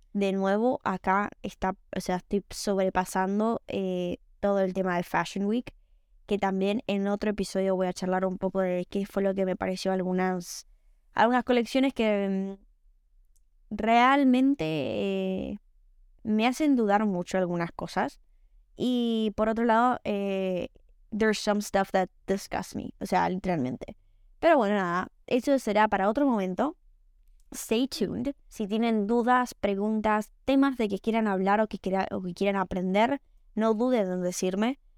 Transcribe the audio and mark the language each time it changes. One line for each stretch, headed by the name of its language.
Spanish: De nuevo, acá está, o sea, estoy sobrepasando todo el tema de Fashion Week. Que también en otro episodio voy a charlar un poco de qué fue lo que me pareció algunas colecciones que... realmente me hacen dudar mucho algunas cosas. Y por otro lado,
English: there's some stuff that disgusts me.
Spanish: O sea, literalmente. Pero bueno, nada. Eso será para otro momento.
English: Stay tuned.
Spanish: Si tienen dudas, preguntas, temas de que quieran hablar o que quieran aprender, no duden en decirme.